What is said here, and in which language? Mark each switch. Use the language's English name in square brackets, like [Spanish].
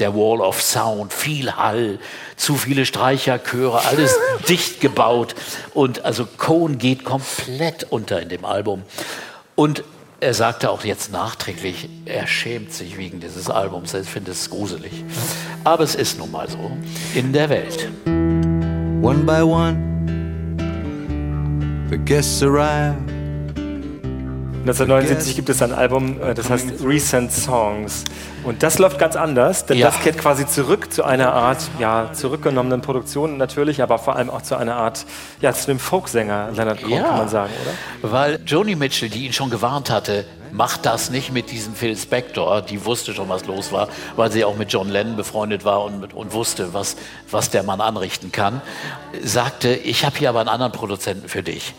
[German] Der Wall of Sound, viel Hall, zu viele Streicher, Chöre, alles dicht gebaut. Und also Cohen geht komplett unter in dem Album. Und er sagte auch jetzt nachträglich, er schämt sich wegen dieses Albums, er findet es gruselig. Aber es ist nun mal so in der Welt. [English] One by one, the guests arrive. [German] 1979 gibt es ein Album, das heißt Recent Songs. Und das läuft ganz anders, denn Das kehrt quasi zurück zu einer Art zurückgenommenen Produktion natürlich, aber vor allem auch zu einer Art, zu einem Folksänger, Leonard Cohen, kann man sagen, oder? Weil Joni Mitchell, die ihn schon gewarnt hatte, mach das nicht mit diesem Phil Spector, die wusste schon, was los war, weil sie auch mit John Lennon befreundet war und wusste, was der Mann anrichten kann, sagte, ich habe hier aber einen anderen Produzenten für dich.